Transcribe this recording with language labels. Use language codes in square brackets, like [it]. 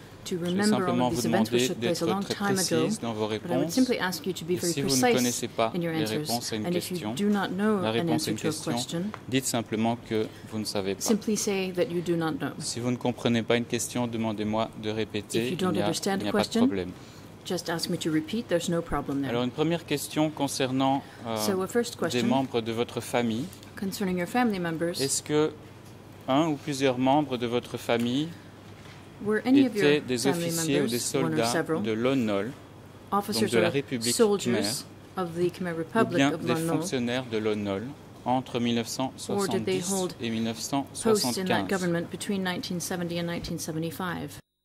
[fr] Je vais simplement vous demander d'être très précise dans vos réponses. Et si vous ne connaissez pas les réponses à une question, la réponse à une question, dites simplement que vous ne savez pas. Si vous ne comprenez pas une question, demandez-moi de répéter, il n'y a pas de problème. [en] Just ask me to repeat, there's no problem there. [fr] Alors une première question concernant des membres de votre famille. Concerning your family members, est-ce que un ou plusieurs membres de votre famille étaient des officiers ou des soldats de l'ONOL, donc de la République Khmer, ou bien des fonctionnaires de l'ONOL entre 1970 et 1975?